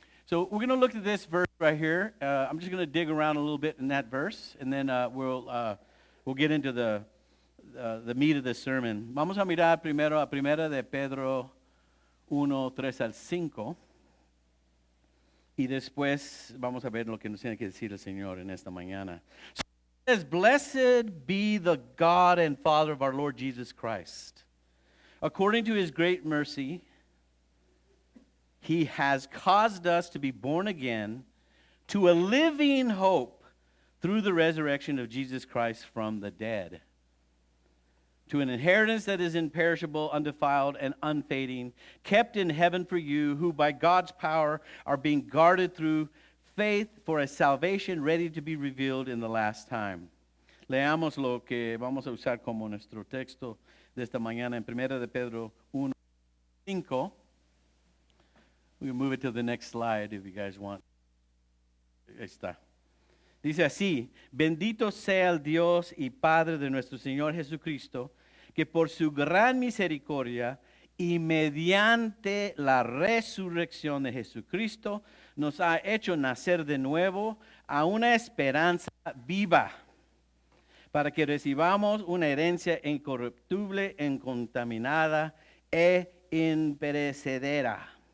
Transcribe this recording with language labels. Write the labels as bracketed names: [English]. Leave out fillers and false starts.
[English] So, we're going to look at this verse right here. I'm just going to dig around a little bit in that verse, and then we'll get into the meat of the sermon. [Spanish] Vamos a mirar primero a Primera de Pedro 1, 3 al 5, y después vamos a ver lo que nos tiene que decir el Señor en esta mañana. [English] So it says, blessed be the God and Father of our Lord Jesus Christ. According to his great mercy, he has caused us to be born again to a living hope through the resurrection of Jesus Christ from the dead, to an inheritance that is imperishable, undefiled, and unfading, kept in heaven for you, who by God's power are being guarded through faith for a salvation ready to be revealed in the last time. [Spanish] Leamos lo que vamos a usar como nuestro texto de esta mañana en Primera de Pedro 1, 5. [English] We can move it to the next slide if you guys want. [Spanish] Ahí está. Dice así, bendito sea el Dios y Padre de nuestro Señor Jesucristo, que por su gran misericordia y mediante la resurrección de Jesucristo nos ha hecho nacer de nuevo a una esperanza viva, para que recibamos una herencia incorruptible, incontaminada e imperecedera.